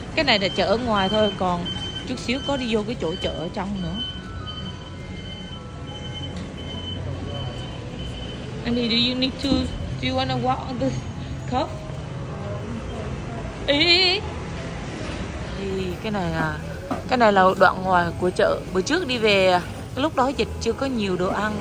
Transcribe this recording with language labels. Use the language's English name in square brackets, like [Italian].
[Vietnamese] Cái này là chợ ở ngoài thôi, còn chút xíu có đi vô cái chỗ chợ ở trong nữa. [English] Andy, do you need to, do you wanna walk on the cuff? [Vietnamese] Thì cái này là đoạn ngoài của chợ. Bữa trước đi về lúc đó dịch chưa có nhiều đồ ăn.